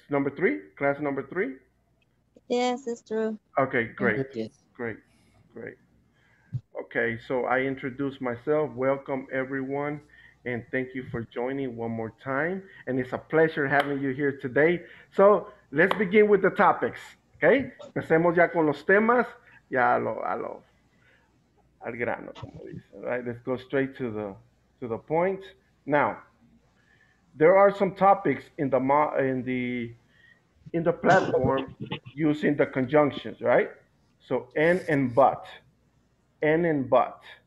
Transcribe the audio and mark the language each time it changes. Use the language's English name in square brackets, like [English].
[English] Number 3? Class number 3? Yes, it's true. Okay, great. Yes. Great, great. Okay, so I introduced myself. Welcome, everyone. And thank you for joining one more time. And it's a pleasure having you here today. So let's begin with the topics, okay? [Spanish] Empecemos ya con los temas, ya al grano, como dicen, right? [English] Let's go straight to the point. Now, there are some topics in the platform using the conjunctions, right? So and but.